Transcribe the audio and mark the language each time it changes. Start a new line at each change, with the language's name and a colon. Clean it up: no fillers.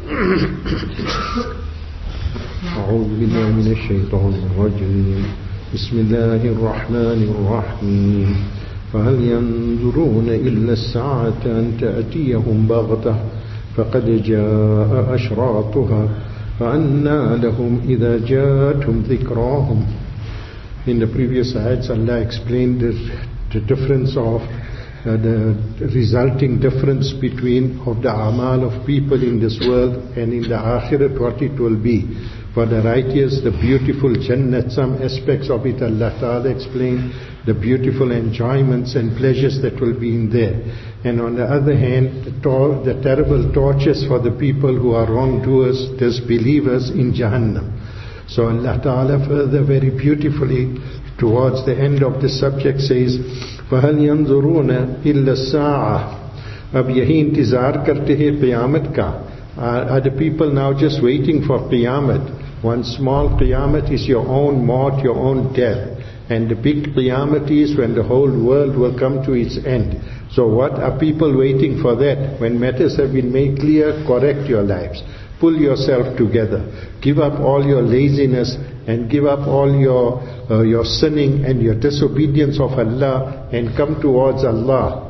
Arabic: أعوذ بالله من الشيطان الرجيم. بسم الله الرحمن الرحيم. فهل ينظرون إلا الساعة أن تأتيهم بغتة فقد جاء أشراطها فأنى لهم إذا جاءتهم ذكراهم.
English: In the previous ayats, Allah explained the difference of the resulting difference between of the amal of people in this world and in the akhirat, what it will be. For the righteous, the beautiful Jannat, some aspects of it Allah Ta'ala explained, the beautiful enjoyments and pleasures that will be in there. And on the other hand, the terrible tortures for the people who are wrongdoers, disbelievers in Jahannam. So Allah Ta'ala further very beautifully towards the end of the subject says,
Arabic: فَهَلْ يَنظُرُونَ إِلَّا السَّاعَةِ.
Urdu: اب یہی انتظار کرتے ہیں قیامت کا.
English: Are the people now just waiting for قیامت? One small قیامت is your own mort, your own death. And the big قیامت is when the whole world will come to its end. So what are people waiting for that? When matters have been made clear, correct your lives. Pull yourself together. Give up all your laziness and give up all your sinning and your disobedience of Allah and come towards Allah.